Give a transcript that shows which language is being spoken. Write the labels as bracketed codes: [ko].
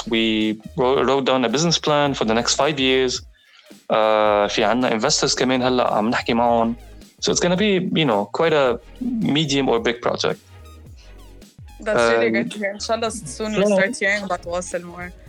[en] We wrote down a business plan for the next 5 years. [ar] في عنا investors كمان هلا عم نحكي معهم. [en] So it's gonna be, you know, quite a medium or big project. That's really good hear. Inshallah, soon we'll start hearing about Wasl more.